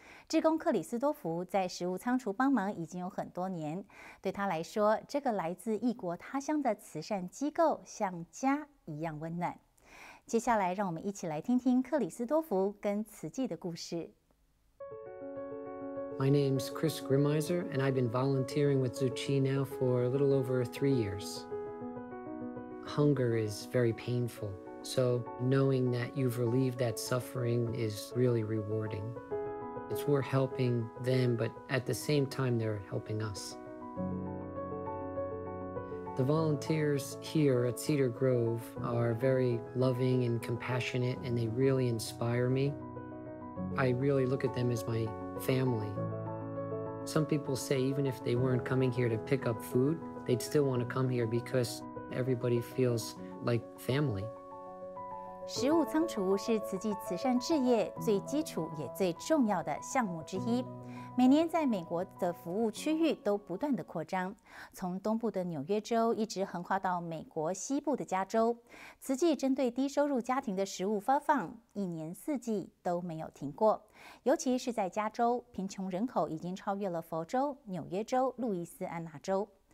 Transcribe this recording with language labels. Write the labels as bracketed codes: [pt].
[zh] 志工克里斯多福在食物仓储帮忙已经有很多年，对他来说，这个来自异国他乡的慈善机构像家一样温暖。接下来，让我们一起来听听克里斯多福跟慈济的故事。 [en] My name's Chris Grimmeiser, and I've been volunteering with Zuchi now for a little over 3 years. Hunger is very painful, so knowing that you've relieved that suffering is really rewarding. It's we're helping them, but at the same time, they're helping us. The volunteers here at Cedar Grove are very loving and compassionate, and they really inspire me. I really look at them as my family. Some people say even if they weren't coming here to pick up food, they'd still want to come here because everybody feels like family. [zh] 食物仓储是慈济慈善置业最基础也最重要的项目之一，每年在美国的服务区域都不断的扩张，从东部的纽约州一直横跨到美国西部的加州。慈济针对低收入家庭的食物发放，一年四季都没有停过，尤其是在加州，贫穷人口已经超越了佛州、纽约州、路易斯安那州。